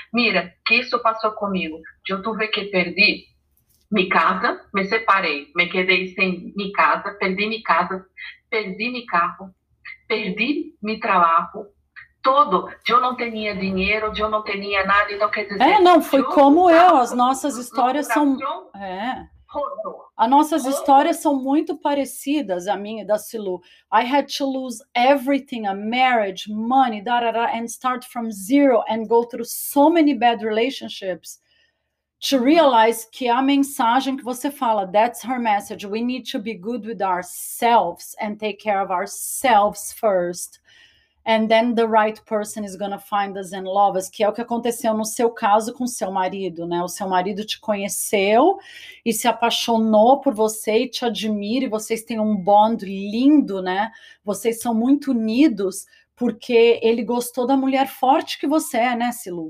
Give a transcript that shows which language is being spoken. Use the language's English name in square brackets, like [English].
[Portuguese] Mira, que isso passou comigo. Eu tive que perdi minha casa, me separei, me quedei sem minha casa, perdi minha casa, perdi meu carro, perdi meu trabalho, todo. Eu não tinha dinheiro, eu não tinha nada, então quer dizer... As nossas histórias são... É. Rodo. As nossas Rodo. Histórias são muito parecidas, a minha e da Silu. [English] I had to lose everything, a marriage, money, da-da-da, and start from zero and go through so many bad relationships to realize [Portuguese] que a mensagem que você fala, [English] that's her message, we need to be good with ourselves and take care of ourselves first. And then the right person is going to find us and love us, [Portuguese] que é o que aconteceu no seu caso com seu marido, né? O seu marido te conheceu e se apaixonou por você e te admira, e vocês têm um bond lindo, né? Vocês são muito unidos porque ele gostou da mulher forte que você é, né, Silu?